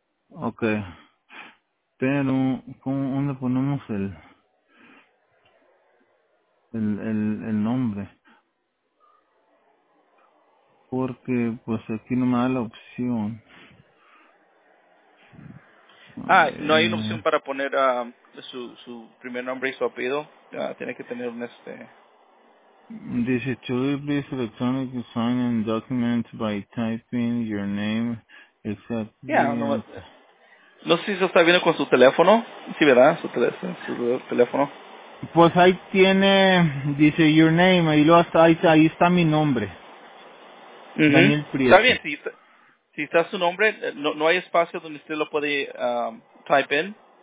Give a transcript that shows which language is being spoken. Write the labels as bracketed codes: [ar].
[es] Okay. Pero, ¿cómo, dónde ponemos el nombre? Porque, pues, aquí no me da la opción. Ah, no hay una opción para poner su primer nombre y su apellido. Tiene que tener un este... [en] Dice, to leave this electronic sign and document by typing your name exactly. [es] No sé si eso está viendo con su teléfono. Sí, ¿verdad? Su teléfono. Pues ahí tiene, dice, [en] your name. [es] Y luego hasta ahí está mi nombre. Uh-huh. Daniel Prieto. Está bien, si está su nombre, no hay espacio donde usted lo puede [en] type in.